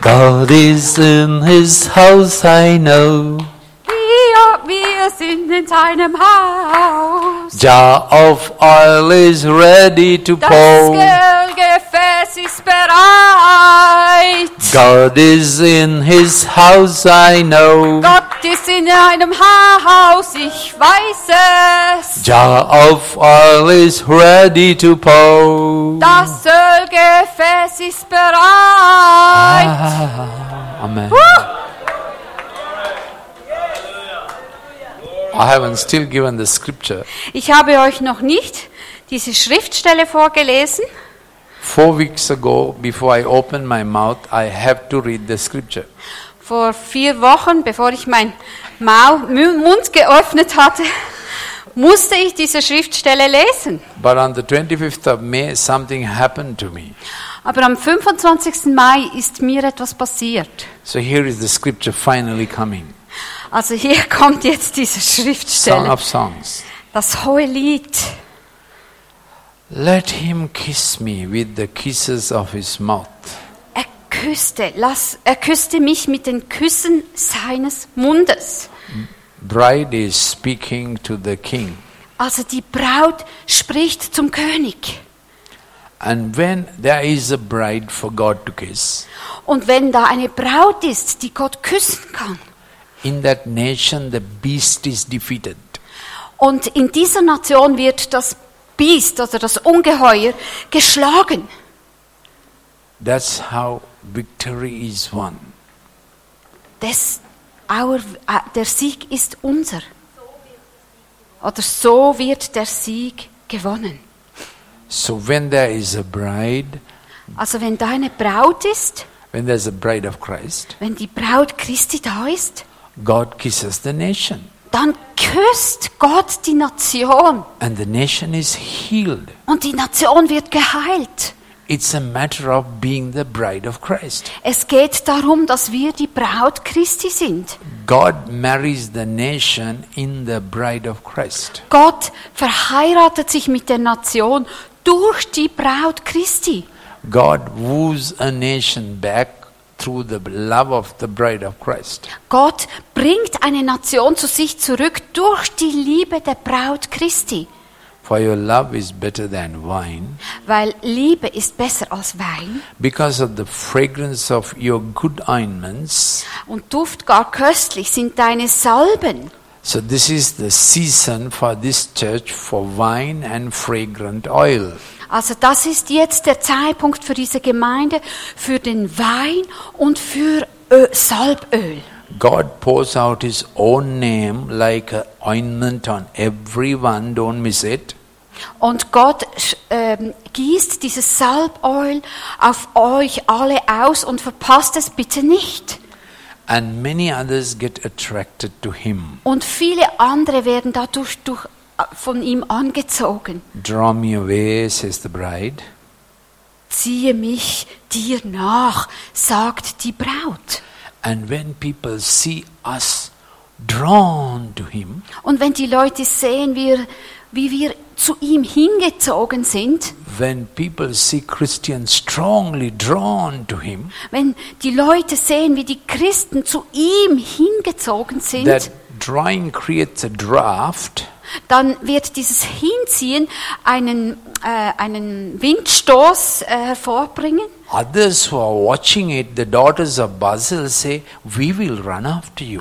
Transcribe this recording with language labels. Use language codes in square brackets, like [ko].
[en] God is in his house, I know. [de] Wir sind in seinem Haus. [en] Jar of oil is ready to pour. [de] Das Ölgefäß ist bereit. [en] God is in his house, I know. [de] Gott ist in einem Haus, ich weiß es. [en] Jar of oil is ready to pour. [de] Das Ölgefäß ist bereit. [en] Amen. I haven't still given the scripture. [de] Ich habe euch noch nicht diese Schriftstelle vorgelesen. [en] 4 weeks ago, before I opened my mouth, I have to read the scripture. [de] Vor 4 Wochen, bevor ich meinen Mund geöffnet hatte, musste ich diese Schriftstelle lesen. [en] But on the 25th of May, something happened to me. [de] Aber am 25. Mai ist mir etwas passiert. [en] So here is the scripture finally coming. [de] Also hier kommt jetzt diese Schriftstelle. [en] Song of Songs. [de] Das hohe Lied. [en] Let him kiss me with the kisses of his mouth. [de] Er küsste mich mit den Küssen seines Mundes. [en] Bride is speaking to the king. [de] Also die Braut spricht zum König. [en] And when there is a bride for God to kiss. [de] Und wenn da eine Braut ist, die Gott küssen kann. [en] In that nation the beast is defeated. [de] Und in dieser Nation wird das Biest, also das Ungeheuer, geschlagen. [en] That's how victory is won. [de] Der Sieg ist unser. Oder so wird der Sieg gewonnen. [en] So when there is a bride, [de] also wenn da eine Braut ist, [en] when there's a bride of Christ, [de] wenn die Braut Christi da ist, [en] God kisses the nation. [de] Dann küsst Gott die Nation. [en] And the nation is healed. [de] Und die Nation wird geheilt. [en] It's a matter of being the bride of Christ. [de] Es geht darum, dass wir die Braut Christi sind. [en] God marries the nation in the bride of Christ. [de] Gott verheiratet sich mit der Nation durch die Braut Christi. [en] God woos a nation back through the love of the bride of Christ. [de] Gott bringt eine Nation zu sich zurück durch die Liebe der Braut Christi. [en] For your love is better than wine. [de] Weil Liebe ist besser als Wein. [en] Because of the fragrance of your good ointments. [de] Und Duft gar köstlich sind deine Salben. [en] So this is the season for this church for wine and fragrant oil. [de] Also das ist jetzt der Zeitpunkt für diese Gemeinde, für den Wein und für Salböl. [en] God pours out his own name like an ointment on everyone, don't miss it. [de] Und Gott gießt dieses Salböl auf euch alle aus und verpasst es bitte nicht. [en] And many others get attracted to him. [de] Und viele andere werden dadurch durch von ihm angezogen. [en] Draw me away, says the bride. [de] Ziehe mich dir nach, sagt die Braut. [en] And when people see us drawn to him, [de] und wenn die Leute sehen, wie wir zu ihm hingezogen sind, [en] when people see Christians strongly drawn to him, [de] wenn die Leute sehen, wie die Christen zu ihm hingezogen sind, [en] that drawing creates a draft, [de] dann wird dieses Hinziehen einen Windstoß hervorbringen. [en] Others who are watching it, the daughters of Basel say, we will run after you.